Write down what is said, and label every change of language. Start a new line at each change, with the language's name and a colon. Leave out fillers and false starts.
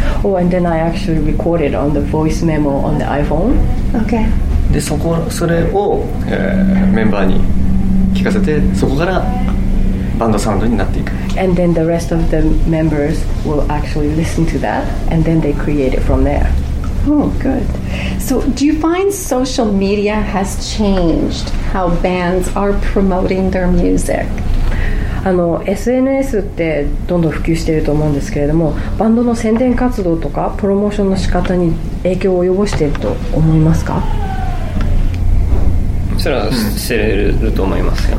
English: Oh, and then I actually recorded on the voice memo on the iPhone. Okay.
Japanese: で、それを、メンバーに聞かせて、そこからバンドサウンドになっていく。
English: And then the rest of the members will actually listen to that, and then they create it from there. Oh, good. So, do you find social media has changed how bands are promoting their music?
Japanese: あの、SNS ってどんどん普及していると思うんですけれども、バンドの宣伝活動とかプロモーションの仕方に影響を及ぼしていると思いますか？それはしていると思いますよ。